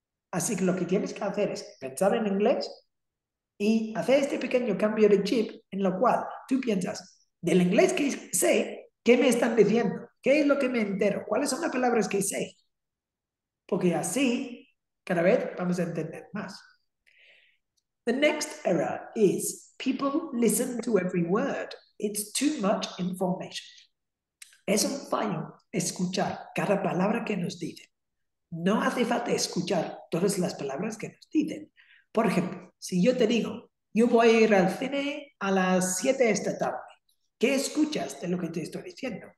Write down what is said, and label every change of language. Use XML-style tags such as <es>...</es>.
<es>Así que lo que tienes que hacer es pensar en inglés y hacer este pequeño cambio de chip en lo cual tú piensas, del inglés que sé, ¿qué me están diciendo? ¿Qué es lo que me entero? ¿Cuáles son las palabras que sé? Porque así cada vez vamos a entender más.</es> <en>The next error is people listen to every word. It's too much information.</en> <es>Es un fallo escuchar cada palabra que nos dicen. No hace falta escuchar todas las palabras que nos dicen. Por ejemplo, si yo te digo, yo voy a ir al cine a las 7 de esta tarde, ¿qué escuchas de lo que te estoy diciendo?</es>